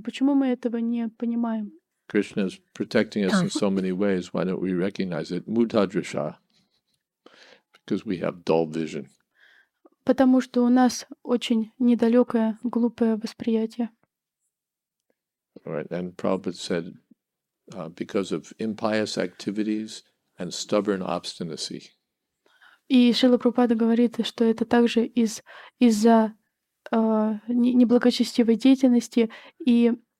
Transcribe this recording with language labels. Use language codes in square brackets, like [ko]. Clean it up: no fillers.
[ru] Почему мы этого не понимаем? [en] Krishna is protecting us in so many ways. Why don't we recognize it? Mudadrisha. Because we have dull vision. [ru] Потому что у нас очень недалекое, глупое восприятие. [en] Right. And Prabhupada said, because of impious activities and stubborn obstinacy. [ru] И Шрила Прабхупада говорит, что это также из-за неблагочестивой деятельности и